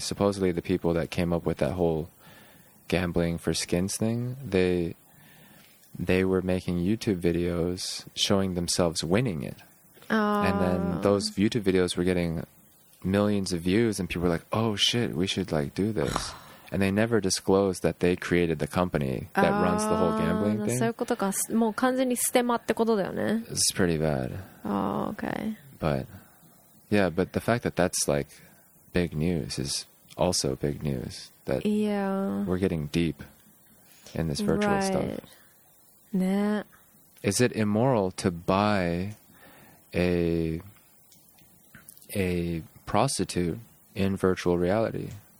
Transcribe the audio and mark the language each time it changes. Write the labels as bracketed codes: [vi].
[en] Supposedly the people that came up with that whole gambling for skins thing, they were making YouTube videos showing themselves winning it. Oh. And then those YouTube videos were getting millions of views and people were like, oh shit, we should like do this. And they never disclosed that they created the company that runs the whole gambling thing. [ja] そういうことか。もう完全にステマってことだよね。 [en] It's pretty bad. Oh, okay. But, yeah, but the fact that that's like big news is also big news. That we're getting deep in this virtual stuff. Nah. Is it immoral to buy a prostitute in virtual reality?